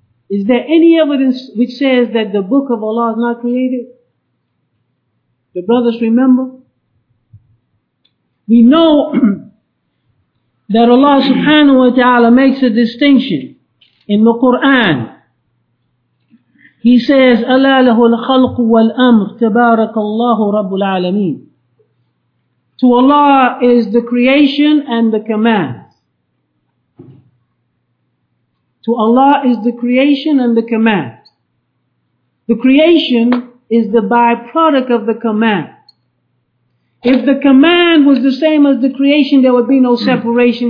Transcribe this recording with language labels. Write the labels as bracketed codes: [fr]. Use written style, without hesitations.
[en] Is there any evidence which says that the book of Allah is not created? The brothers remember? We know that Allah subhanahu wa ta'ala makes a distinction in the Quran. He says, [ar] أَلَا لَهُ الْخَلْقُ وَالْأَمْرُ تَبَارَكَ اللَّهُ رَبُّ الْعَالَمِينَ. [en] To Allah is the creation and the command. To Allah is the creation and the command. The creation is the byproduct of the command. If the command was the same as the creation, there would be no separation.